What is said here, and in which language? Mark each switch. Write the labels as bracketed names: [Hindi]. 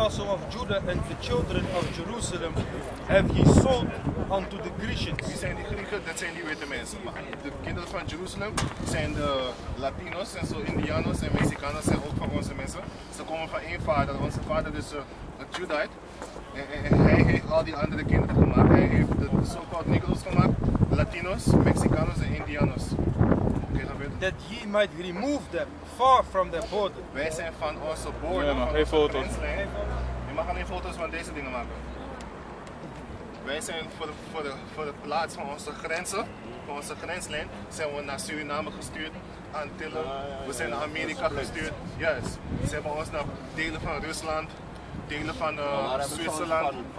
[English] also of Judah and the children of Jerusalem have he sold unto the Grecians. [Dutch] Wie zijn die Grieken? Dat zijn die witte mensen. Maar de kinderen van Jeruzalem zijn de Latinos en zo, Indianos en Mexicanos zijn ook van onze mensen. Ze komen van één vader. Onze vader is een Judite. En hij heeft al die andere kinderen gemaakt. Hij heeft de so-called Negroes gemaakt. Latinos, Mexicanos en Indianos. [English] That ye might remove them far from their border. [Dutch] Wij zijn van onze border. Ja, van geen foto's. Je mag alleen foto's van deze dingen maken. Wij zijn voor de plaats van onze grenzen, van onze grenslijn, zijn we naar Suriname gestuurd, Antillen. We zijn naar Amerika gestuurd. Yes. Ze hebben ons naar delen van Rusland, delen van Zwitserland.